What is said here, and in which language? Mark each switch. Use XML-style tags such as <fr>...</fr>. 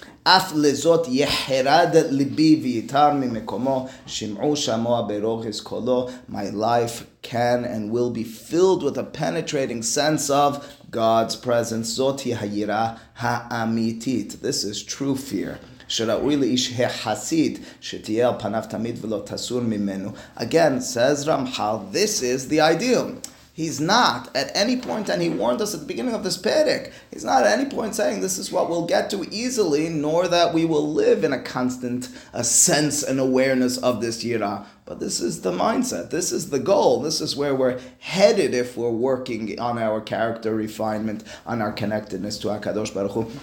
<he>אף לזאת יחרד ליבי ויתר ממקומו שמעו שמוע ברוחס קולו.</he> <en>My life can and will be filled with a penetrating sense of God's presence.</en> <he>זאת היראה האמיתית.</he> <en>This is true fear.</en> <he>שראוי לאיש החסיד שתהיה על פניו תמיד ולא תסור ממנו.</he> <en>Again, says Ramchal, this is the ideal. He's not at any point, and he warned us at the beginning of this perek, he's not at any point saying this is what we'll get to easily, nor that we will live in a constant a sense and awareness of this yira. But this is the mindset. This is the goal. This is where we're headed if we're working on our character refinement, on our connectedness to HaKadosh Baruch Hu.</en>